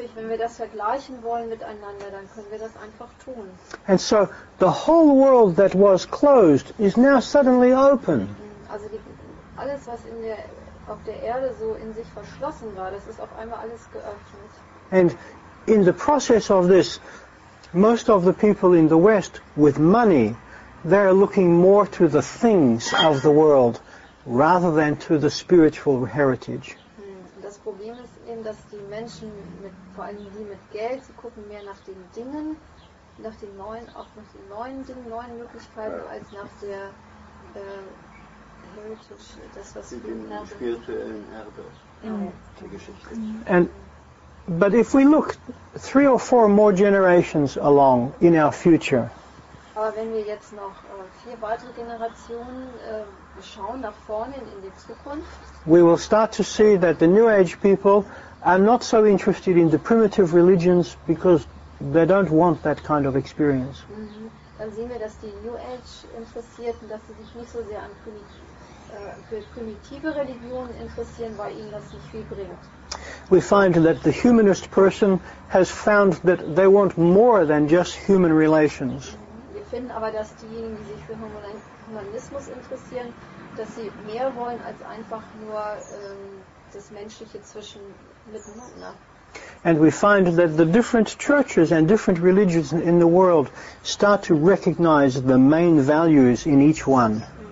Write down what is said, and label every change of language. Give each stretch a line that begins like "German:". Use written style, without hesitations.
German: Wenn wir das vergleichen wollen miteinander, dann können wir das einfach tun.
English: And so the whole world that was closed is now suddenly open.
German: Also alles, was auf der Erde so in sich verschlossen war, das ist auf einmal alles geöffnet.
English: And in the process of this, most of the people in the West with money, they're looking more to the things of the world rather than to the spiritual heritage.
German: Das Problem ist eben, dass die Menschen, vor allem die mit Geld, sie gucken mehr nach den Dingen, nach den neuen Möglichkeiten, als nach der Heritage, das, was sie in der spirituellen Erbe, der Geschichte.
English: But if we look 3 or 4 more generations along in our future,
German: aber wenn wir jetzt noch 4 weitere Generationen schauen nach vorne in die Zukunft,
English: we will start to see that the New Age people are not so interested in the primitive religions because they don't want that kind of experience.
German: Dann sehen wir, dass die New Age Interessierten, dass sie sich nicht so sehr für primitive Religionen interessieren, weil ihnen das nicht viel bringt.
English: We find that the humanist person has found that they want more than just human relations.
German: Wir finden aber, dass diejenigen, die sich für Humanismus interessieren, dass sie mehr wollen als einfach nur das menschliche Zwischen miteinander.
English: And we find that the different churches and different religions in the world start to recognize the main values in each one.